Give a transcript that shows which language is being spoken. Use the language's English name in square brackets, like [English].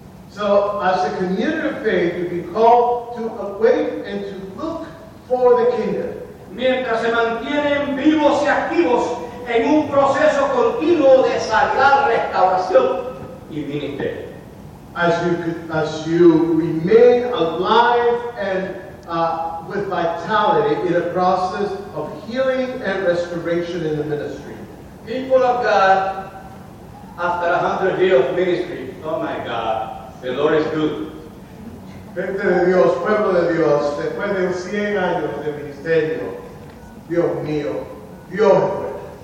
[English] So, as a community of faith, you've been called to await and to look for the kingdom. [Spanish] Mientras se mantienen vivos y activos en un proceso continuo de sagrada restauración y ministerio. [English] As you remain alive and with vitality in a process of healing and restoration in the ministry. People of God, after 100 years of ministry, oh my God, the Lord is good. [Spanish] Gente de Dios, pueblo de Dios, después de 100 años de ministerio, Dios mío, Dios es bueno.